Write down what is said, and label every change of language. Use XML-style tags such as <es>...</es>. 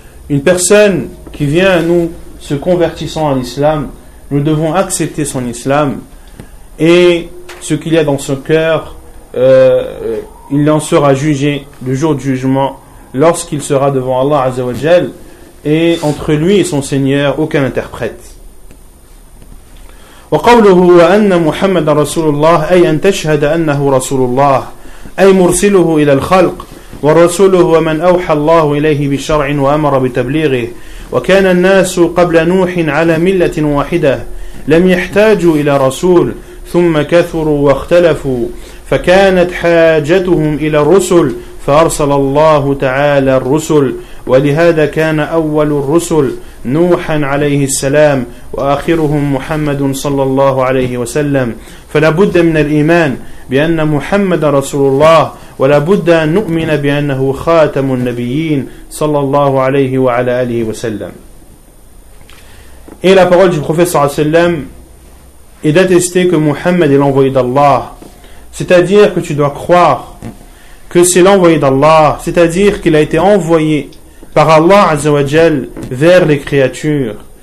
<fr>Une personne qui vient à nous se convertissant à l'islam, nous devons accepter son islam et ce qu'il y a dans son cœur, il en sera jugé le jour du jugement, lorsqu'il sera devant Allah Azza wa Jal, et entre lui et son Seigneur, aucun interprète.</fr> <ar>وقوله أن محمد رسول الله أي أن تشهد أنه رسول الله أي مرسله إلى الخلق ورسوله ومن أوحى الله إليه بشرع وأمر بتبليغه وكان الناس قبل نوح على ملة واحدة لم يحتاجوا إلى رسول ثم كثروا واختلفوا فكانت حاجتهم إلى الرسل فأرسل الله تعالى الرسل ولهذا كان أول الرسل نوحا عليه السلام وآخرهم محمد صلى الله عليه وسلم فلا بد من الإيمان بأن محمد رسول الله ولا بد أن نؤمن بأنه خاتم النبيين صلى الله عليه وعلى آله وسلم.</ar> <fr>Et la parole du prophète sallallahu alayhi wa sallam est d'attester que Muhammad est l'envoyé d'Allah, c'est-à-dire que tu dois croire que c'est l'envoyé d'Allah, c'est-à-dire qu'il a été envoyé par Allah Azza wa Jal vers les créatures.</fr>